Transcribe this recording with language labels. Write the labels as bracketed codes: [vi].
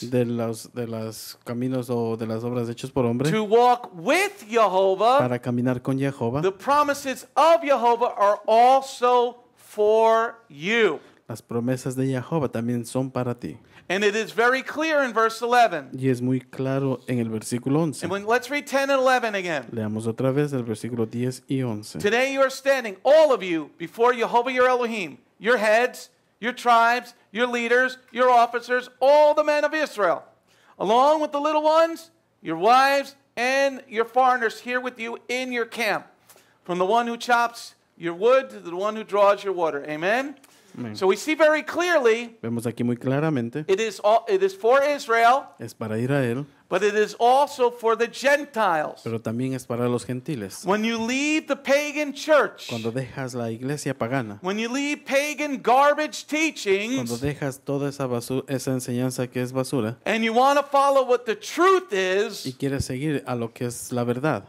[es] de los caminos o de las obras hechas por hombre, [en] to walk with Jehovah, [es] para caminar con Jehovah, [en] the promises of Jehovah are also for you. [es] las promesas de Jehová también son para ti. [en] And it is very clear in verse 11. [es] Y es muy claro en el versículo 11. [en] And when, let's read 10 and 11 again. [es] Leamos otra vez el versículo 10 y 11. [en] Today you are standing, all of you, before Jehovah your Elohim, your heads, your tribes, your leaders, your officers, all the men of Israel, along with the little ones, your wives, and your foreigners here with you in your camp, from the one who chops your wood to the one who draws your water. Amen? Amen. So we see very clearly. [es] Vemos aquí muy claramente. [en] It is for Israel. [es] Es para Israel. [en] But it is also for the Gentiles. [es] Pero también es para los gentiles. [en] When you leave the pagan church. [es] Cuando dejas la iglesia pagana. [en] When you leave pagan garbage teachings. [es] Cuando dejas toda esa basura, esa enseñanza que es basura. [en] And you want to follow what the truth is. [es] Y quieres seguir a lo que es la verdad.